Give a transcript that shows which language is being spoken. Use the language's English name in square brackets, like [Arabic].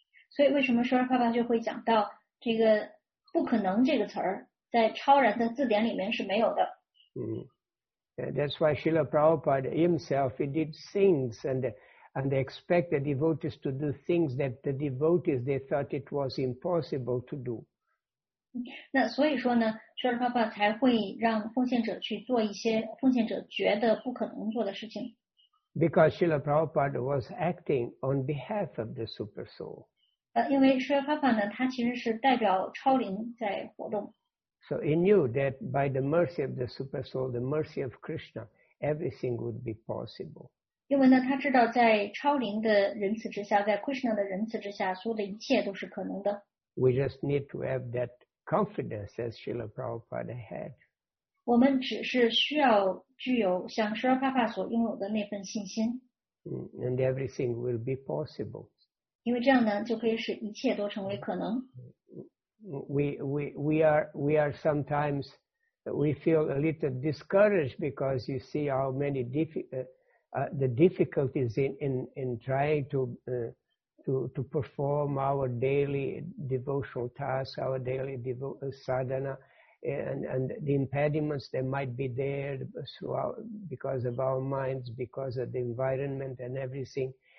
[Chinese] 所以为什么说帕帕就会讲到这个不可能这个词儿在超然的字典里面是没有的。 [English] That's why Srila Prabhupada himself, he did things and expect the devotees to do things that the devotees, they thought it was impossible to do. [Chinese] 那所以说呢 Srila Prabhupada 才会让奉献者去做一些奉献者觉得不可能做的事情。 [English] Because Srila Prabhupada was acting on behalf of the super soul. [Chinese] 因为 Srila Prabhupada 他其实是代表超灵在活动。 [English] So he knew that by the mercy of the super soul, the mercy of Krishna, everything would be possible. [Chinese] 因为呢他知道在超灵的仁慈之下在 Krishna 的仁慈之下所有的一切都是可能的。 [English] We just need to have that confidence as Srila Prabhupada had. [Chinese] 我们只是需要具有像 Srila Prabhupada 所拥有的那份信心。 [English] And everything will be possible. [Chinese] 因为这样呢就可以使一切都成为可能。 [English] We are sometimes we feel a little discouraged because you see how many the difficulties in trying to perform our daily devotional tasks, our daily sadhana, and the impediments that might be there throughout because of our minds, because of the environment and everything.